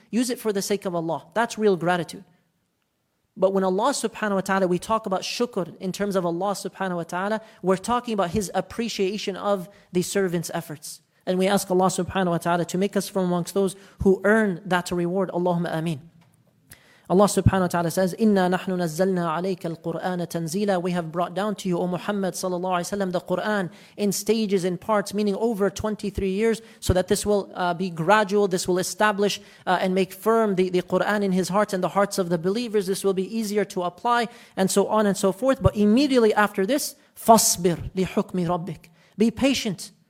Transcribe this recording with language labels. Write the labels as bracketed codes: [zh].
[en] Use it for the sake of Allah. That's real gratitude. But when Allah subhanahu wa ta'ala, we talk about shukr in terms of Allah subhanahu wa ta'ala, we're talking about His appreciation of the servant's efforts. And we ask Allah subhanahu wa ta'ala to make us from amongst those who earn that reward. Allahumma ameen. Allah subhanahu wa ta'ala says, [ar] إِنَّا نَحْنُ نَزَّلْنَا عَلَيْكَ الْقُرْآنَ تَنْزِيلًا. [en] We have brought down to you, O Muhammad sallallahu alayhi wa sallam, the Qur'an in stages, in parts, meaning over 23 years, so that this will be gradual, this will establish and make firm the Qur'an in his heart and the hearts of the believers. This will be easier to apply, and so on and so forth. But immediately after this, [ar] فَاصْبِرْ لِحُكْمِ رَبِّكَ. [en] Be patient.